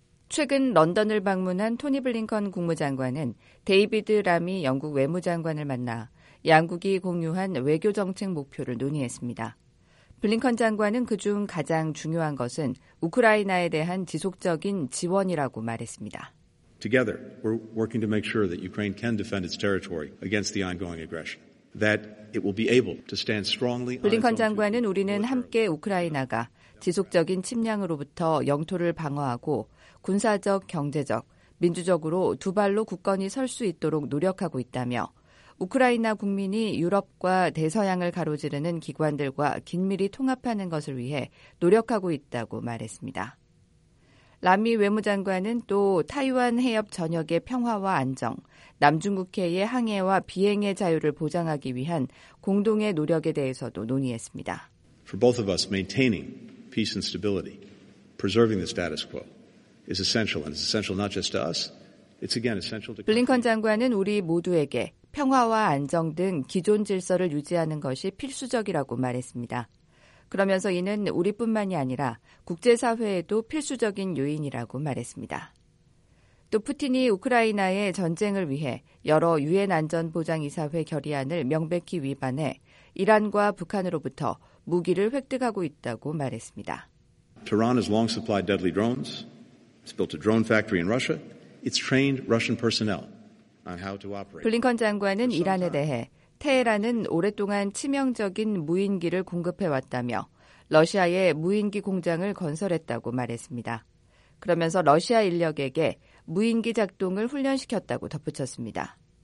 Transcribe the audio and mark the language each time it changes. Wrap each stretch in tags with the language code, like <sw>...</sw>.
<ko>최근 런던을 방문한 토니 블링컨 국무장관은 데이비드 라미 영국 외무장관을 만나 양국이 공유한 외교 정책 목표를 논의했습니다. 블링컨 장관은 그중 가장 중요한 것은 우크라이나에 대한 지속적인 지원이라고 말했습니다.</ko> <en>Together, we're working to make sure that Ukraine can defend its territory against the ongoing aggression. That it will be able to stand strongly.</en> <ko>블링컨 장관은 우리는 함께 우크라이나가 지속적인 침략으로부터 영토를 방어하고 군사적, 경제적, 민주적으로 두 발로 굳건히 설 수 있도록 노력하고 있다며 우크라이나 국민이 유럽과 대서양을 가로지르는 기관들과 긴밀히 통합하는 것을 위해 노력하고 있다고 말했습니다. 라미 외무장관은 또 타이완 해협 전역의 평화와 안정, 남중국해의 항해와 비행의 자유를 보장하기 위한 공동의 노력에 대해서도 논의했습니다.</ko> <en>For both of us, maintaining peace and stability, preserving the status quo is essential, and it's essential not just to us. It's again essential to.</en> <ko>블링컨 장관은 우리 모두에게 평화와 안정 등 기존 질서를 유지하는 것이 필수적이라고 말했습니다. 그러면서 이는 우리뿐만이 아니라 국제사회에도 필수적인 요인이라고 말했습니다. 또 푸틴이 우크라이나의 전쟁을 위해 여러 유엔 안전보장이사회 결의안을 명백히 위반해 이란과 북한으로부터 무기를 획득하고 있다고 말했습니다.</ko> <en>Tehran has long supplied deadly drones. It's built a drone factory in Russia. It's trained Russian personnel.</en> <ko>블링컨 장관은 이란에 대해 테헤란은 오랫동안 치명적인 무인기를 공급해왔다며 러시아에 무인기 공장을 건설했다고 말했습니다. 그러면서 러시아 인력에게 무인기 작동을 훈련시켰다고 덧붙였습니다.</ko>